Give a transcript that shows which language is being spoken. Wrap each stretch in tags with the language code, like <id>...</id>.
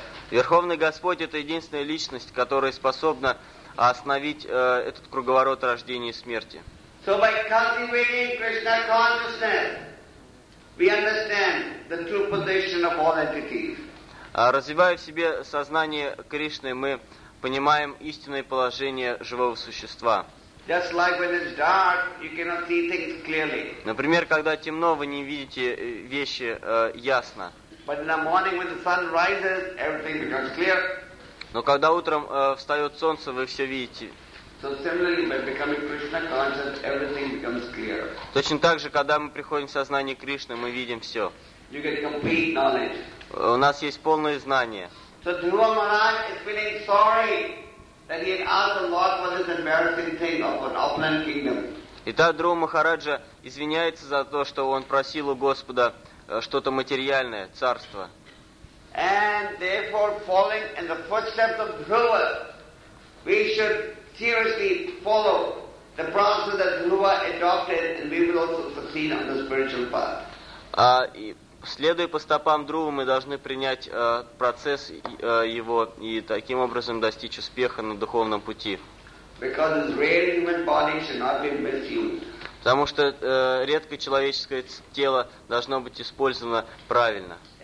<ru>Верховный Господь это единственная личность, которая способна остановить этот круговорот рождения и смерти.</ru> <en>So by cultivating Krishna consciousness, we understand the true position of all entities.</en> <ru>Развивая в себе сознание Кришны, мы понимаем истинное положение живого существа.</ru> <en>Just like when it's dark, you cannot see things clearly.</en> <ru>Например, когда темно, вы не видите вещи ясно.</ru> <en>But in the morning when the sun rises, everything becomes clear.</en> <ru>Но когда утром встает солнце, вы все видите.</ru> <en>So similarly, by becoming Krishna conscious, everything becomes clear.</en> <ru>Точно так же, когда мы приходим в сознание Кришны, мы видим все.</ru> <en>You get complete knowledge.</en> <ru>У нас есть полное знание.</ru> <en>So Dhruva Maharaj is feeling sorry that he had asked the Lord for this embarrassing thing of an offline kingdom.</en> <ru>Итак, Дхрува Махараджа извиняется за то, что он просил у Господа что-то материальное, царство.</ru> <en>And therefore, following in the footsteps of Dhruva, we should seriously follow the process that Dhruva adopted, and we will also succeed on the spiritual path.</en> <ru>Следуя по стопам Дхрувы, мы должны принять процесс его и таким образом достичь успеха на духовном пути.</ru> <en>Because his rare human body should not be misused.</en> <ru>Потому что редко человеческое тело должно быть использовано правильно.</ru>